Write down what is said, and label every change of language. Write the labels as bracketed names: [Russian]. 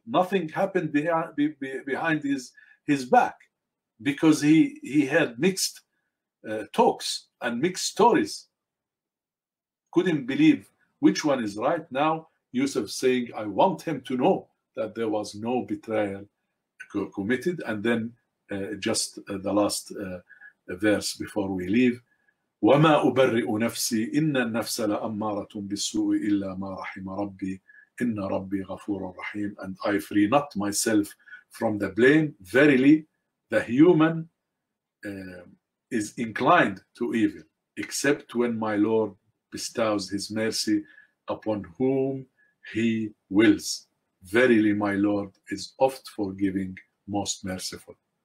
[English] Nothing happened behind his back, because he had mixed talks and mixed stories. Couldn't believe which one is right. Now Yusuf saying, I want him to know that there was no betrayal committed. And then just the last verse before we leave. [Arabic] وَمَا أُبَرِّئُ نَفْسِي إِنَّ النَّفْسَ لَأَمَّارَةٌ بِالسُّوءِ إِلَّا مَا رَحِمَ رَبِّي إِنَّ رَبِّي غَفُورٌ رَحِيمٌ. [English] And I free not myself from the blame. Verily, the human is inclined to evil, except when my Lord bestows his mercy upon whom he wills. Verily, my Lord is oft forgiving, most merciful.